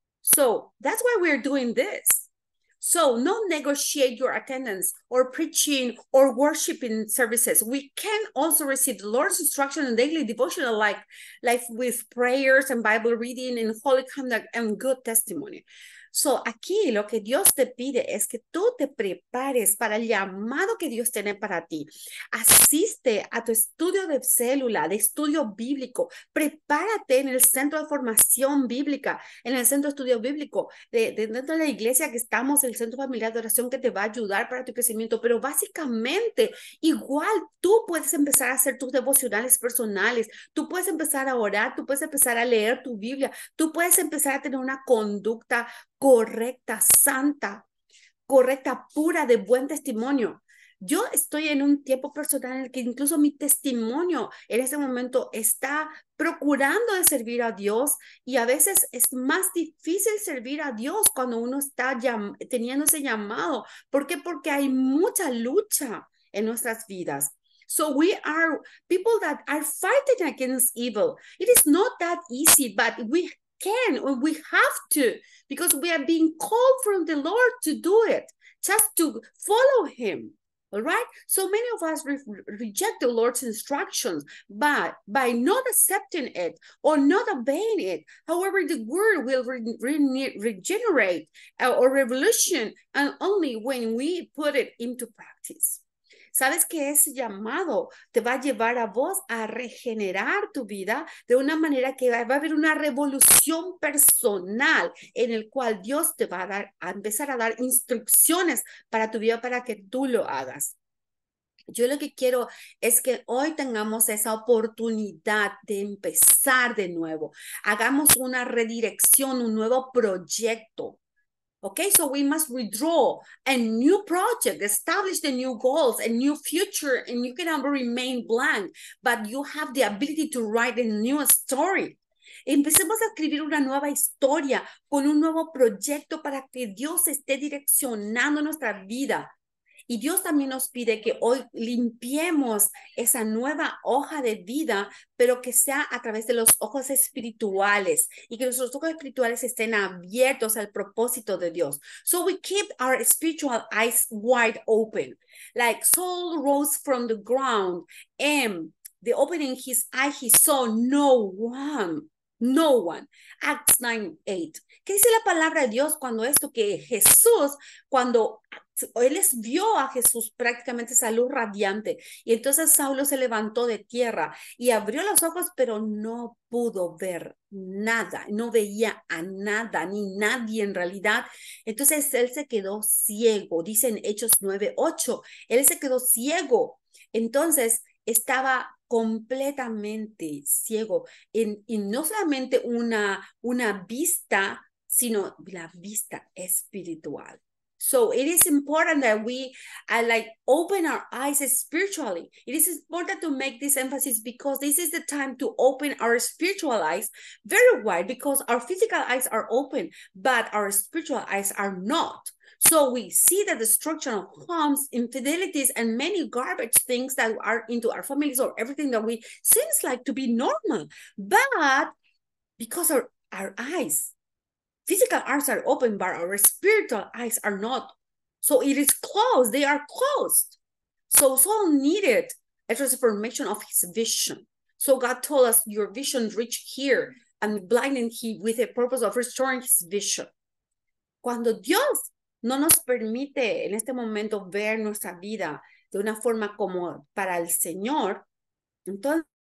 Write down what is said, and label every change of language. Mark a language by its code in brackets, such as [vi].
[en] So that's why we're doing this. So not negotiate your attendance or preaching or worshiping services. We can also receive the Lord's instruction and daily devotional life with prayers and Bible reading and holy conduct and good testimony. [es] So aquí lo que Dios te pide es que tú te prepares para el llamado que Dios tiene para ti. Asiste a tu estudio de célula, de estudio bíblico. Prepárate en el centro de formación bíblica, en el centro de estudio bíblico, dentro de la iglesia que estamos, el centro familiar de oración que te va a ayudar para tu crecimiento. Pero básicamente, igual tú puedes empezar a hacer tus devocionales personales. Tú puedes empezar a orar, tú puedes empezar a leer tu Biblia. Tú puedes empezar a tener una conducta correcta, santa, correcta, pura, de buen testimonio. Yo estoy en un tiempo personal en el que incluso mi testimonio en este momento está procurando de servir a Dios, y a veces es más difícil servir a Dios cuando uno está teniendo ese llamado. ¿Por qué? Porque hay mucha lucha en nuestras vidas. [en] So we are people that are fighting against evil. It is not that easy, but we can, or we have to, because we are being called from the Lord to do it, just to follow him, all right? So many of us reject the Lord's instructions, but by not accepting it or not obeying it. However, the word will regenerate or revolution, and only when we put it into practice. [es] ¿Sabes que ese llamado te va a llevar a vos a regenerar tu vida de una manera que va a haber una revolución personal en el cual Dios te va a empezar a dar instrucciones para tu vida para que tú lo hagas? Yo lo que quiero es que hoy tengamos esa oportunidad de empezar de nuevo. Hagamos una redirección, un nuevo proyecto. [en] Okay, so we must redraw a new project, establish the new goals, a new future, and you cannot remain blank, but you have the ability to write a new story. [es] Empecemos a escribir una nueva historia con un nuevo proyecto para que Dios esté direccionando nuestra vida. Y Dios también nos pide que hoy limpiemos esa nueva hoja de vida, pero que sea a través de los ojos espirituales y que nuestros ojos espirituales estén abiertos al propósito de Dios. [en] So we keep our spiritual eyes wide open, like Saul rose from the ground and the opening his eyes he saw no one. No one. Acts 9:8. [es] ¿Qué dice la palabra de Dios cuando esto que Jesús, cuando él les vio a Jesús prácticamente esa luz radiante y entonces Saulo se levantó de tierra y abrió los ojos pero no pudo ver nada, no veía a nada ni nadie en realidad. Entonces él se quedó ciego, dice en Hechos 9:8. Él se quedó ciego. Entonces estaba completamente ciego y no solamente una vista, sino la vista espiritual. [en] So it is important that we like open our eyes spiritually. It is important to make this emphasis because this is the time to open our spiritual eyes very wide because our physical eyes are open, but our spiritual eyes are not. So we see the destruction of homes, infidelities, and many garbage things that are into our families or everything that we seems like to be normal. But because our eyes, physical eyes are open, but our spiritual eyes are not. So it is closed. They are closed. So Saul needed a transformation of his vision. So God told us, your vision reached here and blinded him with the purpose of restoring his vision. [es] Cuando Dios no nos permite en este momento ver nuestra vida de una forma como para el Señor, entonces